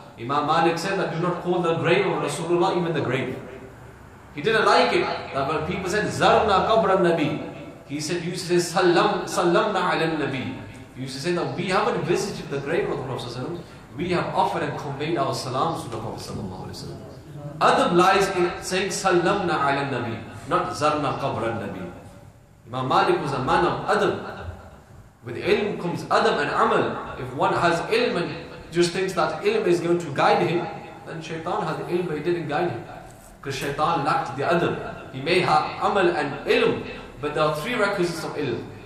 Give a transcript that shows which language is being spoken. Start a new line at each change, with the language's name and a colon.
English: Imam Malik said that do not call the grave of Rasulullah even the grave. He didn't like it. That when people said,
Arabic: زَرْنَا قَبْرَ النَّبِي,
English: he said, you used to say,
Arabic: سَلَّمْنَا عَلَى النَّبِي.
English: He used to say that we haven't visited the grave of the Prophet sallallahu alayhi wa sallam. We have offered and conveyed our salams to the Prophet sallallahu alayhi wa sallam. Adab lies in saying,
Arabic: سَلَّمْنَا عَلَى النَّبِي,
English: not
Arabic: زَرْنَا قَبْرَ النَّبِي.
English: Imam Malik was a man of adab. With ilm comes adab and amal. If one has ilm and just thinks that ilm is going to guide him, then shaitan had ilm but he didn't guide him. Because shaitan lacked the adab. He may have amal and ilm, but there are three requisites of ilm.